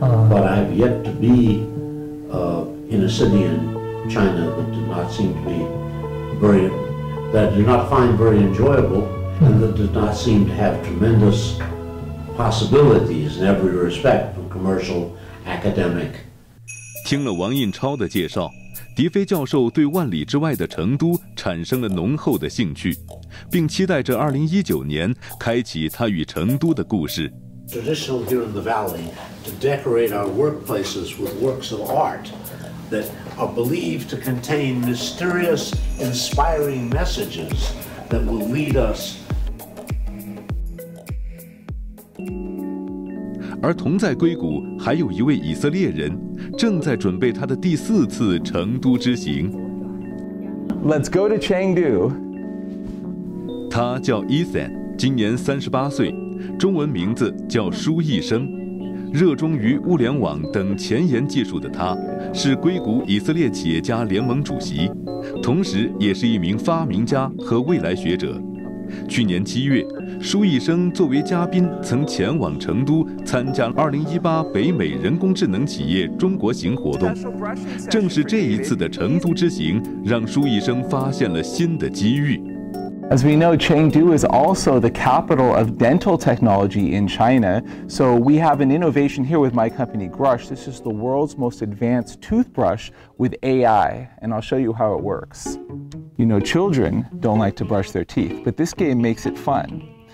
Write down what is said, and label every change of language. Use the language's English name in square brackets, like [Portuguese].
[English] But I've yet to be in a city in China that did not seem to be very that do not find very enjoyable and that does not seem to have tremendous possibilities in every respect from commercial, academic. [Chinese] 听了王印超的介绍，迪菲教授对万里之外的成都产生了浓厚的兴趣，并期待着2019年开启他与成都的故事。 [English] Traditional here in the valley to decorate our workplaces with works of art. That are believed to contain mysterious, inspiring messages that will lead us. [Chinese] 而同在硅谷，还有一位以色列人，正在准备他的第四次成都之行。 [English] Let's go to Chengdu. [Chinese] 他叫 Ethan， 今年38岁，中文名字叫舒一生。热衷于物联网等前沿技术的他，是硅谷以色列企业家联盟主席，同时也是一名发明家和未来学者。去年7月，舒一生作为嘉宾曾前往成都参加2018北美人工智能企业中国行活动。正是这一次的成都之行，让舒一生发现了新的机遇。 [English] As we know, Chengdu is also the capital of dental technology in China. So we have an innovation here with my company, Grush. This is the world's most advanced toothbrush with AI. And I'll show you how it works. You know, children don't like to brush their teeth, but this game makes it fun.